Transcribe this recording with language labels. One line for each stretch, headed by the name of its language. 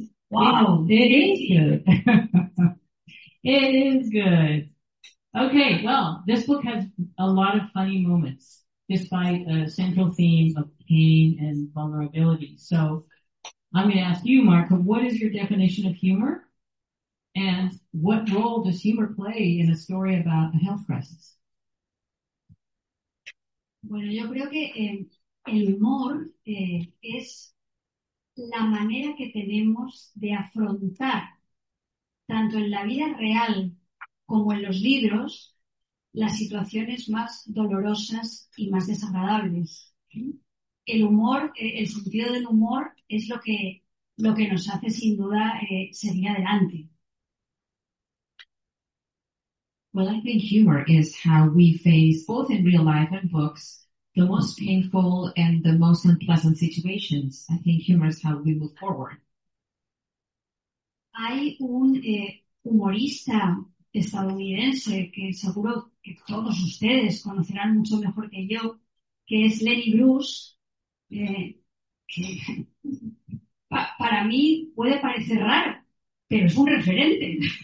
English: Wow, it is good. It is good. Okay, well, this book has a lot of funny moments. despite a central theme of pain and vulnerability. So I'm going to ask you, Marco, what is your definition of humor? And what role does humor play in a story about a health crisis?
Spanish: Bueno, yo creo que el humor es la manera que tenemos de afrontar, tanto en la vida real como en los libros, las situaciones más dolorosas y más desagradables. El humor, el sentido del humor es lo que nos hace sin duda seguir adelante.
English: Well, I think humor is how we face, both in real life and books, the most painful and the most unpleasant situations. I think humor is how we move forward.
Spanish: Hay un humorista estadounidense que seguro que todos ustedes conocerán mucho mejor que yo, que es Lenny Bruce, que para mí puede parecer raro, pero es un referente.